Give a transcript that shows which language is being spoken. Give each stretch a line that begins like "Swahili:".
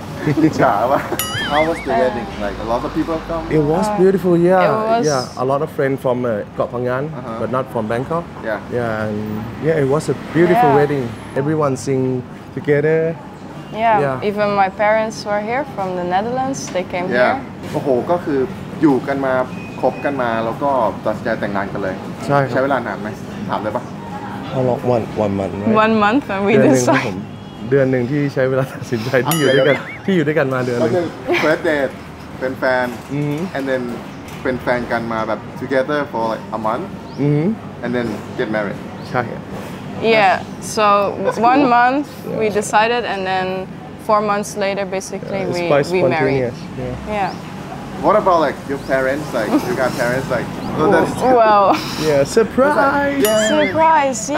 English: How was the wedding? Like a lot of people come. It was beautiful. Yeah, it was... yeah. A lot of friends from Koh Phangan, but not from Bangkok. Yeah. Yeah, and yeah, it was a beautiful wedding. Everyone sing together. Yeah. Yeah. Even my parents were here from the Netherlands. They came here.
Thai: Yeah. Oh, ก็คืออยู่กันมาคบกันมาแล้วก็ตัดสินใจแต่งงานกันเลย ใช่ ใช้เวลานานไหมถามเลยป่ะ
English: How long one month one month and we decide
Thai: เดือนหนึ่งที่ใช้เวลาตัดสินใจที่อยู่ด้วยกันที่อยู่ด้วยกันมาเดือนนึง
English: first date
Thai: เป็นแฟน
English: and then
Thai: เป็นแฟนกันมาแบบ
English: together for like a month and then get married
Thai: ใช่
English: yeah so one month we decided and then 4 months later basically we married yeah What about like your parents? Like you got parents like so well. Yeah, surprise. Like, surprise. Yeah.